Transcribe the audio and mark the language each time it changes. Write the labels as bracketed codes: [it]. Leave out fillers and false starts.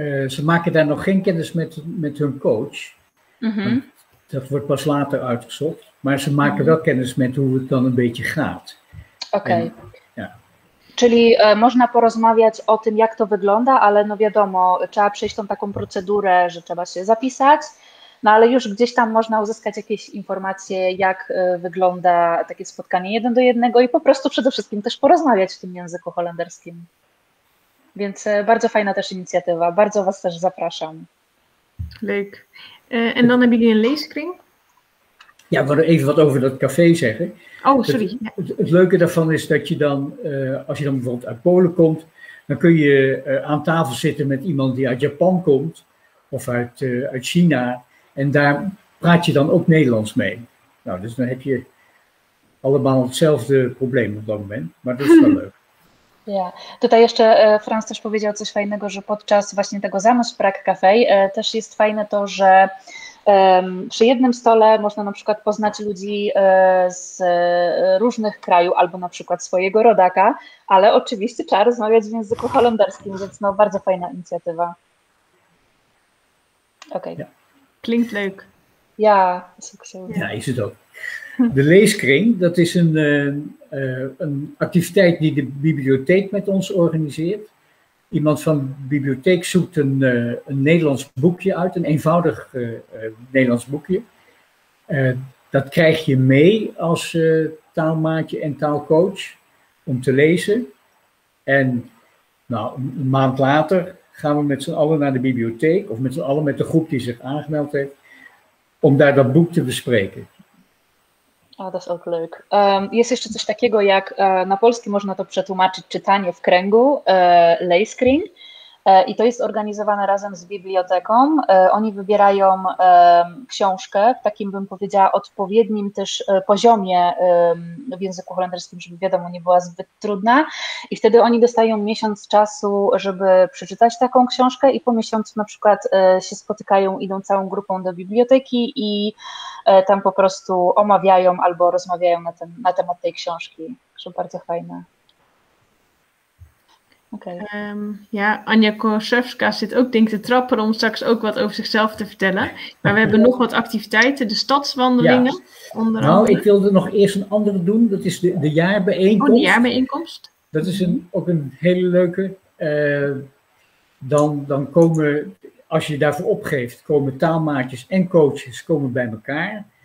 [nl] Ze maken daar nog geen kennis met hun coach. Mm-hmm. Dat wordt pas later uitgezocht. Maar ze maken wel kennis met hoe het dan een beetje gaat. Oké. Okay. [pl] Czyli można porozmawiać o tym, jak to wygląda, ale no wiadomo, trzeba przejść tą taką procedurę, że trzeba się zapisać, no ale już gdzieś tam można uzyskać jakieś informacje, jak wygląda takie spotkanie jeden do jednego i po prostu przede wszystkim też porozmawiać w tym języku holenderskim. Więc bardzo fajna też inicjatywa, bardzo Was też zapraszam. [nl] Leuk. En dan heb ik een leescreen. Ja, we even wat over dat café zeggen. Oh, sorry. Het leuke daarvan is dat je dan, als je dan bijvoorbeeld uit Polen komt, dan kun je aan tafel zitten met iemand die uit Japan komt, of uit China, en daar praat je dan ook Nederlands mee. Nou, dus dan heb je allemaal hetzelfde probleem op dat moment, maar dat is wel leuk. [pl] Ja, tutaj jeszcze Franz też powiedział coś fajnego, że podczas właśnie tego zamysłu Prag Café też jest fajne to, że przy jednym stole można na przykład poznać ludzi z różnych krajów, albo na przykład swojego rodaka, ale oczywiście trzeba rozmawiać w języku holenderskim, więc no bardzo fajna inicjatywa. Okej. [nl] Okay. Klinkt leuk. Ja, succes. Ja, is het ook. De leeskring, dat is een activiteit die de bibliotheek met ons organiseert. Iemand van de bibliotheek zoekt een Nederlands boekje uit, een eenvoudig Nederlands boekje. Dat krijg je mee als taalmaatje en taalcoach om te lezen. En nou, een maand later gaan we met z'n allen naar de bibliotheek, of met z'n allen met de groep die zich aangemeld heeft, om daar dat boek te bespreken. O, dat is ook leuk. [pl] Jest jeszcze coś takiego, jak na polski można to przetłumaczyć, czytanie w kręgu, leescreen. I to jest organizowane razem z biblioteką. Oni wybierają książkę w takim, bym powiedziała, odpowiednim też poziomie w języku holenderskim, żeby wiadomo, nie była zbyt trudna. I wtedy oni dostają miesiąc czasu, żeby przeczytać taką książkę i po miesiącu na przykład się spotykają, idą całą grupą do biblioteki i tam po prostu omawiają albo rozmawiają na temat tej książki, co bardzo fajne. [nl] Ja, Anja Korszewska zit ook denk ik te trappen om straks ook wat over zichzelf te vertellen. Maar we hebben nog wat activiteiten, de stadswandelingen. Ja. Ik wilde nog eerst een andere doen, dat is de jaarbijeenkomst. Oh, de jaarbijeenkomst. Dat is ook een hele leuke. Dan komen, als je daarvoor opgeeft, komen taalmaatjes en coaches komen bij elkaar.